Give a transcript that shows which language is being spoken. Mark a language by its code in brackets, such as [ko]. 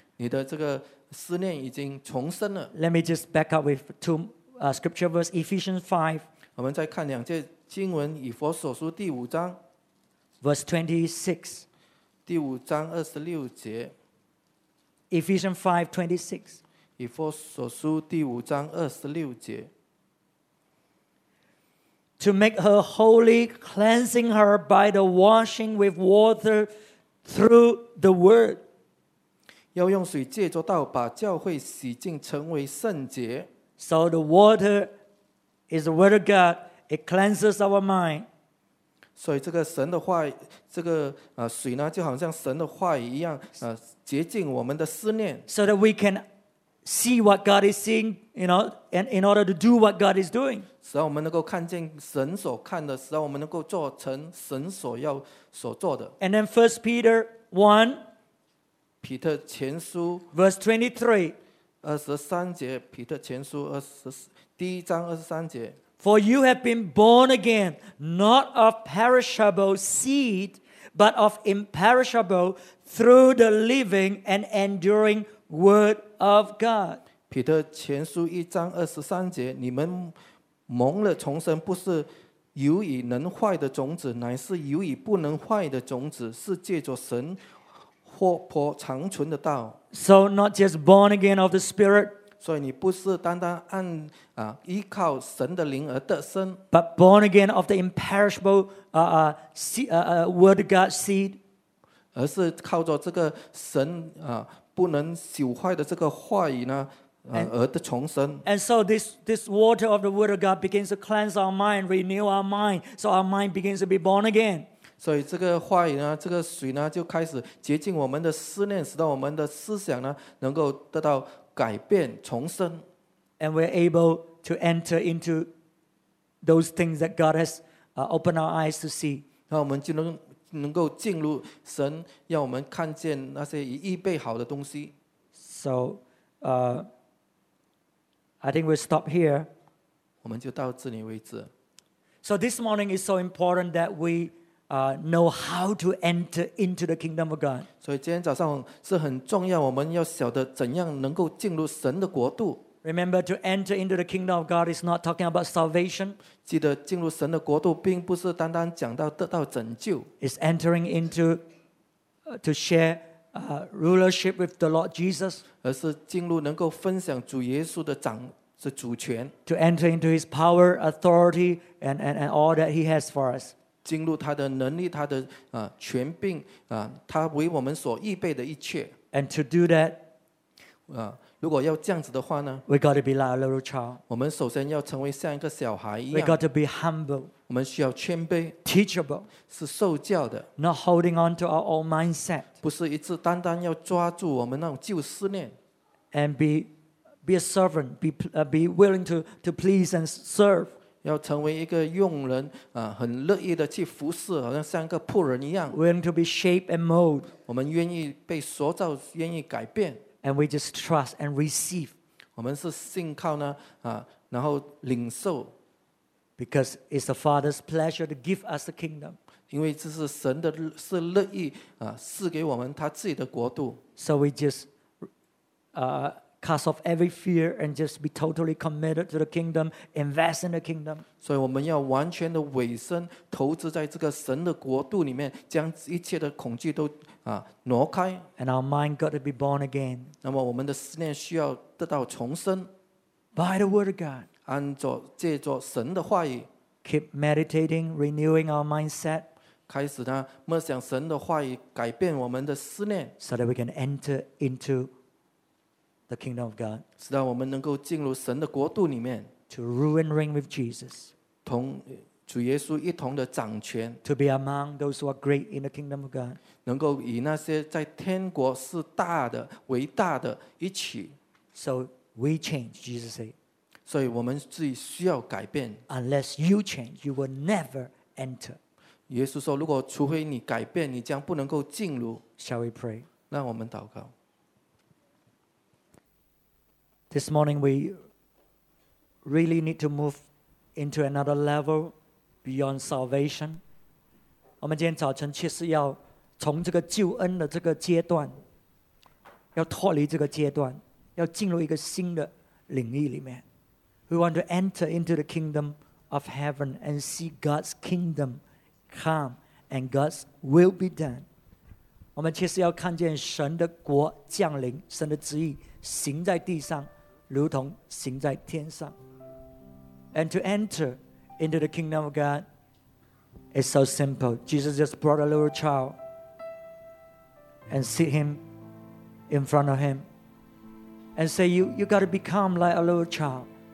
[zh] 你的这个思念已经重生了。 [en] Let me just back up with two scripture verse, Ephesians 5. [zh] 我们再看两节经文，以弗所书第五章。 [en] Verse 26. [zh] 第五章二十六节。 [en] Ephesians 5:26. [zh] 以弗所书第五章二十六节。 [en] To make her holy, cleansing her by the washing with water through the word. [zh] 要用水借着道把教会洗净，成为圣洁。 [en] So the water is the word of God. It cleanses our mind. [zh] 所以这个神的话，这个水呢，就好像神的话语一样，洁净我们的思念。 [en] So that we can see what God is seeing, you know, and in order to do what God is doing. [zh] 使我们能够看见神所看的，使我们能够做成神所要所做的。 [en] And then First Peter 1, [zh] 彼得前书 [en] verse 23, [zh] 23节，彼得前书第一章23节。 [en] For you have been born again, not of perishable seed, but of imperishable, through the living and enduring word of God. [zh] 彼得前书一章二十三节，你们蒙了重生，不是由于能坏的种子，乃是由于不能坏的种子，是借着神活泼长存的道。 [en] So not just born again of the Spirit. [zh] 所以你不是单单按依靠神的灵而得生 [en] ，but born again of the imperishable word of God seed， [zh] 而是靠着这个神不能朽坏的这个话语呢而得重生。 [en] And so this water of the word of God begins to cleanse our mind, renew our mind, so our mind begins to be born again。 [zh] 所以这个话语呢，这个水呢，就开始洁净我们的思念，使到我们的思想呢能够得到。改变重生 [en] and we're able to enter into those things that God has opened our eyes to see. [zh] 那我们就能够进入神要我们看见那些已预备好的东西。 [en] So, I think we'll stop here. [zh] 我们就到这里为止。 [en] So this morning is so important that we know how to enter into the kingdom of God. [zh] 所以今天早上是很重要，我们要晓得怎样能够进入神的国度。 [en] Remember, to enter into the kingdom of God is not talking about salvation. [zh] 记得进入神的国度并不是单单讲到得到拯救。 [en] It's entering into to share rulership with the Lord Jesus. [zh] 而是进入能够分享主耶稣的掌的主权。 [en] To enter into His power, authority, and all that He has for us. [zh] 进入他的能力，他的权柄啊，他为我们所预备的一切。 [en] And to do that, [zh] 如果要这样子的话呢 [en] ？We got to be like a little child. [zh] 我们首先要成为像一个小孩一样。 [en] We got to be humble. [zh] 我们需要谦卑。 [en] Teachable. [zh] 是受教的。 [en] Not holding on to our old mindset. [zh] 不是一直单单要抓住我们那种旧思念。 [en] And be a servant. Be willing to please and serve. [zh] 要成为一个用人啊，很乐意的去服侍，好像像一个仆人一样。 [en] Willing to be shaped and molded. [zh] 我们愿意被塑造，愿意改变。 [en] And we just trust and receive. [zh] 我们是信靠呢，然后领受。 [en] Because it's the Father's pleasure to give us the kingdom. [zh] 因为这是神的是乐意赐给我们他自己的国度。 [en] So we just cast off every fear and just be totally committed to the kingdom, invest in the kingdom. [zh] 所以我们要完全的委身，投资在这个神的国度里面，将一切的恐惧都挪开。 [en] And our mind got to be born again. [zh] 那么我们的思念需要得到重生。 [en] By the word of God. [zh] 按照借着神的话语。 [en] Keep meditating, renewing our mindset. [zh] 开始呢，默想神的话语，改变我们的思念。 [en] So that we can enter into the kingdom of God. [zh] 使得我们能够进入神的国度里面。 [en] To rule and reign with Jesus. [zh] 同主耶稣一同的掌权。 [en] To be among those who are great in the kingdom of God. [zh] 能够与那些在天国是大的、伟大的一起。 [en] So we change, Jesus said. [zh] 所以我们自己需要改变。 [en] Unless you change, you will never enter. [zh] 耶稣说，如果除非你改变，你将不能够进入。 [en] Shall we pray? [zh] 让我们祷告。 [en] This morning we really need to move into another level beyond salvation. [zh] 我们今天早晨确实要从这个救恩的这个阶段，要脱离这个阶段，要进入一个新的领域里面。 [en] We want to enter into the kingdom of heaven and see God's kingdom come and God's will be done. [zh] 我们确实要看见神的国降临，神的旨意行在地上。如同行在天上。 [en] And to enter into the kingdom of God is so simple. Jesus just brought a little child and sit him in front of him and say, you got to become like a little child.